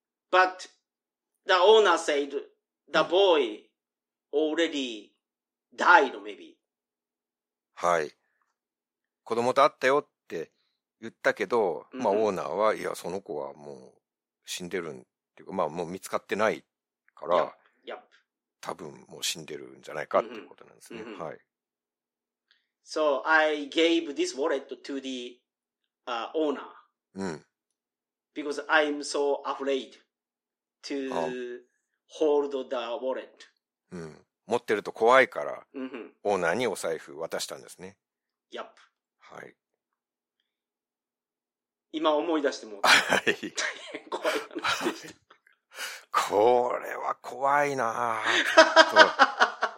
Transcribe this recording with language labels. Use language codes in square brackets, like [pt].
[en] but the owner said the boy already died, maybe. [ja] はい、子供と会ったよって言ったけど、まあオーナーは、うん、いやその子はもう死んでるんっていうか、まあもう見つかってないから、 [en] yep. [ja] 多分もう死んでるんじゃないかっていうことなんですね、うん、はい。 [en] So I gave this wallet to the、owner、 [ja] うん、 [en] because I'm so afraid to hold the wallet、 [ja] うん、持ってると怖いから、 mm-hmm. オーナーにお財布渡したんですね。 [en] Yep. [ja] はい。今思い出しても、はい、大変怖い話でした。これは怖いなぁ。